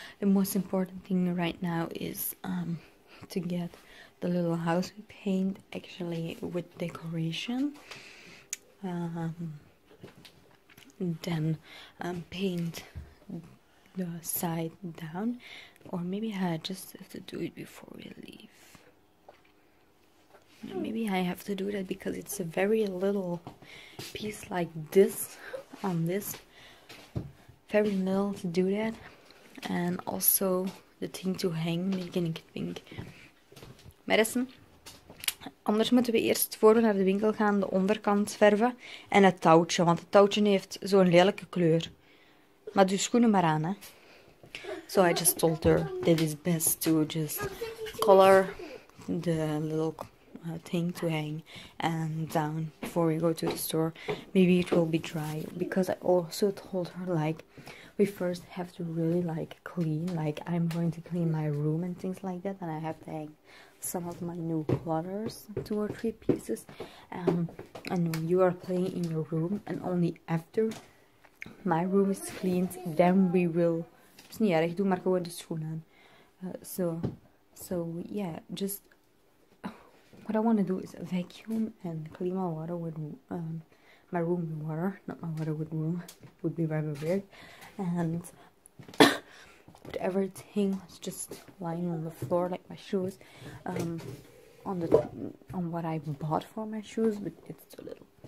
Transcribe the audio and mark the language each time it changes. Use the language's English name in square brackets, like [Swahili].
[English] The most important thing right now is to get the little house paint actually with decoration, then paint the side down, or maybe I just have to do it before we leave. Maybe I have to do that because it's a very little piece like this on this, very little to do that, and also the thing to hang, making it pink. [Dutch] Madison, anders moeten we eerst voor we naar de winkel gaan de onderkant verven en het touwtje, want het touwtje heeft zo'n lelijke kleur. Maar doe schoenen maar aan, hè. [English] So I just told her that it's best to just color the little thing to hang and down before we go to the store. Maybe it will be dry because I also told her like we first have to really like clean. Like I'm going to clean my room and things like that, and I have to hang some of my new clutters, two or three pieces. And when you are playing in your room, and only after my room is cleaned, then we will. It's not [Dutch] erg, doe maar gewoon de schoenen aan. [English] So yeah, just what I want to do is vacuum and clean my water with my room with water, not my water with room, would be very weird. And put everything just lying on the floor, like my shoes, on what I bought for my shoes, but it's too little.